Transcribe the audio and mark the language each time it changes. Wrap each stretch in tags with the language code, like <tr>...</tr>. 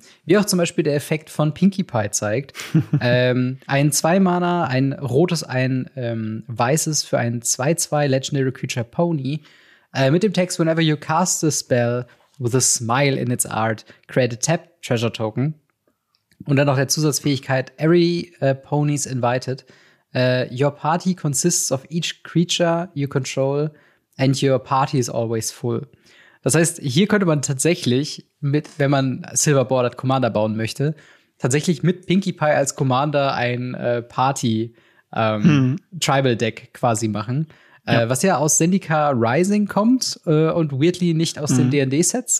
<de>Wie auch zum Beispiel der Effekt von Pinkie Pie zeigt. ein 2-Mana, ein rotes, ein weißes für ein 2-2 Legendary Creature Pony. Mit dem Text,</de> <en>whenever you cast a spell with a smile in its art, create a tapped treasure token.</en> <de>Und dann noch der Zusatzfähigkeit, every ponies invited.</de> <en>Your party consists of each creature you control and your party is always full.</en> <de>Das heißt, hier könnte man tatsächlich mit, wenn man Silver Bordered Commander bauen möchte, tatsächlich mit Pinkie Pie als Commander ein Tribal Deck quasi machen. Ja. Was ja aus Zendikar Rising kommt und weirdly nicht aus den D&D-Sets.</de>